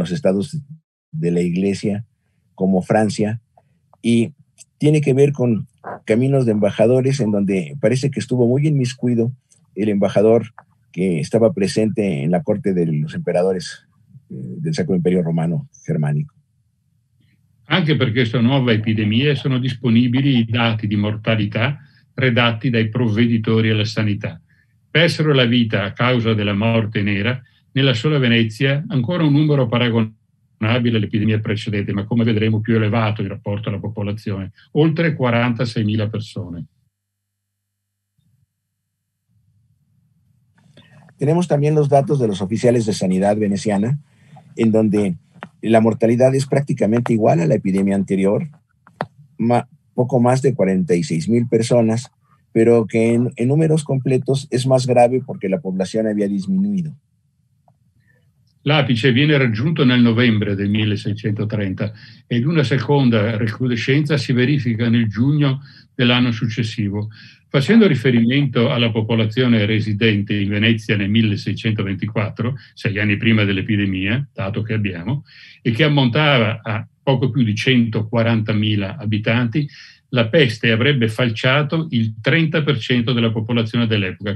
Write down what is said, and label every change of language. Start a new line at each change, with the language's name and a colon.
Spanish: los estados de la iglesia, como Francia, y tiene que ver con caminos de embajadores, en donde parece que estuvo muy inmiscuido el embajador que estaba presente en la corte de los emperadores del Sacro Imperio Romano Germánico.
Italian: Anche perché questa nuova epidemia sono disponibili i dati di mortalità redatti dai provveditori alla sanità. Persero la vita a causa della morte nera nella sola Venezia ancora un numero paragonabile all'epidemia precedente, ma come vedremo più elevato in rapporto alla popolazione, oltre 46.000 persone.
Spanish: Tenemos también los datos de los oficiales de sanidad veneciana, en donde la mortalidad es prácticamente igual a la epidemia anterior, poco más de 46.000 personas, pero que en números completos es más grave porque la población había disminuido.
Italian: L'apice viene raggiunto nel novembre del 1630 ed una seconda recrudescenza si verifica nel giugno dell'anno successivo. Facendo riferimento alla popolazione residente in Venezia nel 1624, sei anni prima dell'epidemia, dato che abbiamo, e che ammontava a poco più di 140.000 abitanti, la peste avrebbe falciato il 30% della popolazione dell'epoca.